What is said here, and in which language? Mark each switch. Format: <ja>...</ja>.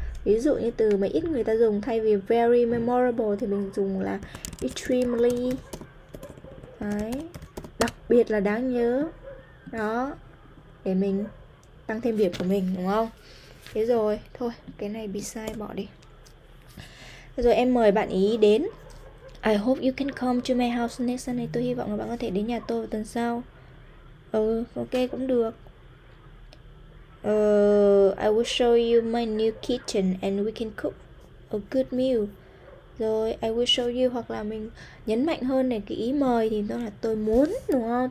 <vi>Ví dụ như từ mà ít người ta dùng thay vì</vi> <en>very memorable</en> <vi>thì mình dùng là extremely. Đấy. Đặc biệt là đáng nhớ. Đó. Để mình tăng thêm việc của mình đúng không? Thế rồi, thôi, cái này bị sai bỏ đi. Rồi em mời bạn ý đến.</vi> <en>I hope you can come to my house next Sunday.</en> <vi>Tôi hy vọng là bạn có thể đến nhà tôi vào tuần sau. Ừ, ok cũng được.</vi> <en>I will show you my new kitchen and we can cook a good meal.</en> <vi>Rồi,</vi> <en>I will show you</en> <vi>hoặc là mình nhấn mạnh hơn này cái ý mời thì nó là tôi muốn đúng không?</vi>